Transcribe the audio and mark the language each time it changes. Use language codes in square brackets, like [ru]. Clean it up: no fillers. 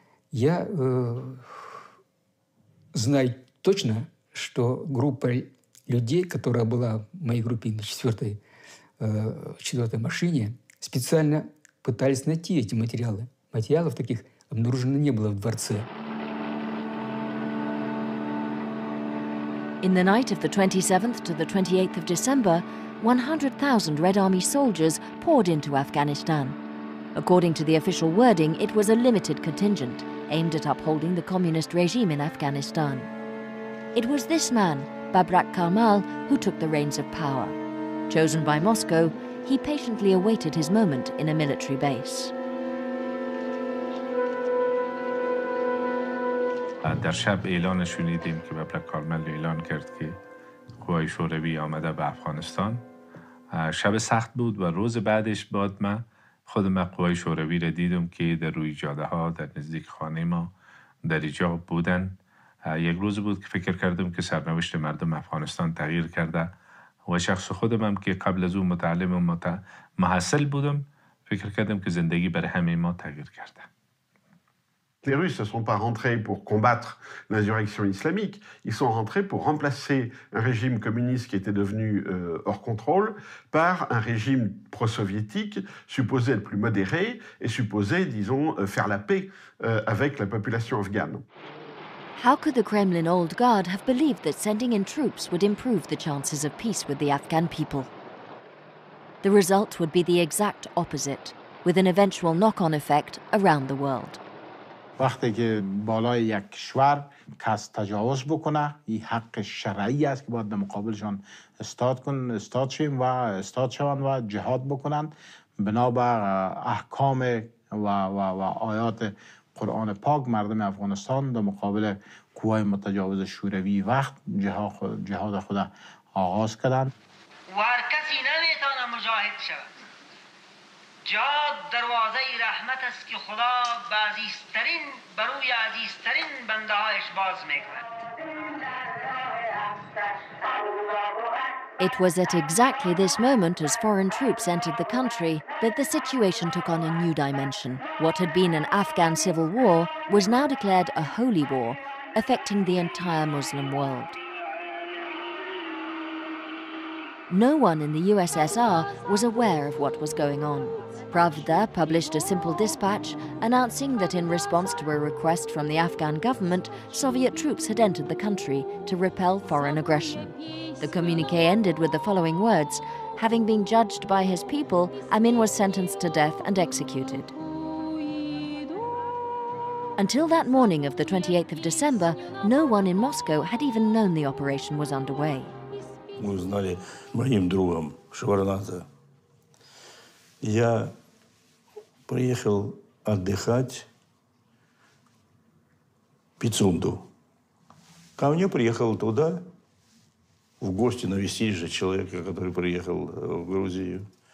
[ru] Я знаю точно, что группа людей, которая была в моей группе на четвертой машине, специально пытались найти эти материалы. Материалов таких обнаружено не было в дворце. [en] In the night of the 27th to the 28th of December, 100,000 Red Army soldiers poured into Afghanistan. According to the official wording, it was a limited contingent aimed at upholding the communist regime in Afghanistan. It was this man, Babrak Karmal, who took the reins of power. Chosen by Moscow, he patiently awaited his moment in a military base. [fa] در شب اعلان شنیدیم که ببرک کارمل اعلان کرد که قوای شوروی آمده به افغانستان. شب سخت بود و روز بعدش بعد من خود من قوای شوروی را دیدم که در روی جاده ها در نزدیک خانه ما در ایجا بودن. یک روز بود که فکر کردم که سرنوشت مردم افغانستان تغییر کرده و شخص خودم هم که قبل از اون متعلم و محصل بودم فکر کردم که زندگی بر همه ما تغییر کرده. [fr] Les Russes ne sont pas rentrés pour combattre l'insurrection islamique, ils sont rentrés pour remplacer un régime communiste qui était devenu hors contrôle par un régime pro-soviétique supposé être plus modéré et supposé, disons, faire la paix avec la population afghane. [en] How could the Kremlin old guard have believed that sending in troops would improve the chances of peace with the Afghan people? The result would be the exact opposite, with an eventual knock-on effect around the world. [fa] وقتی که بالای یک کشور کس تجاوز بکنه، این حق شرعی است که باید مقابلشان استاد شوند و جهاد بکنند بنابر احکام و آیات قرآن پاک مردم افغانستان در مقابل قوای متجاوز شوروی وقت جهاد خود آغاز کردند. و هر کسی نمیتونه مجاهد شود. جهاد دروازه رحمت است که خدا به عزیزترین بروی عزیزترین بنده هایش باز میکند. [en] It was at exactly this moment as foreign troops entered the country that the situation took on a new dimension. What had been an Afghan civil war was now declared a holy war, affecting the entire Muslim world. No one in the USSR was aware of what was going on. Pravda published a simple dispatch announcing that in response to a request from the Afghan government, Soviet troops had entered the country to repel foreign aggression. The communique ended with the following words: having been judged by his people, Amin was sentenced to death and executed. Until that morning of the 28th of December, no one in Moscow had even known the operation was underway. [ru] Мы узнали моим другом Шварнадзе. Я приехал отдыхать в Пицунду. Ко мне приехал туда в гости навестить же человека, который приехал в Грузию.